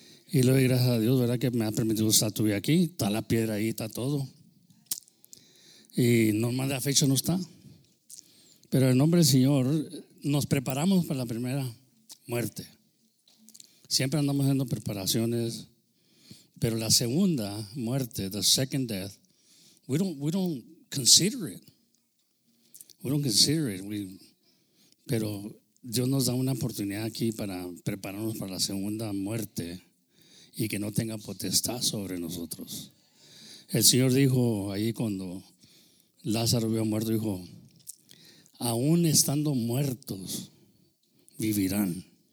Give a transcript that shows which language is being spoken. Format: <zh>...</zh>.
<es>Y le doy gracias a Dios, ¿verdad? Que me ha permitido estar aquí, está la piedra ahí, está todo. Y normal de la fecha no está. Pero en nombre del Señor, nos preparamos para la primera muerte. Siempre andamos haciendo preparaciones. Pero la segunda muerte,</es> <en>the second death, we don't consider it. We don't consider it.</en> <es>Pero Dios nos da una oportunidad aquí para prepararnos para la segunda muerte y que no tenga potestad sobre nosotros. El Señor dijo ahí cuando... Lázaro había muerto, dijo, aún estando muertos, vivirán.</es>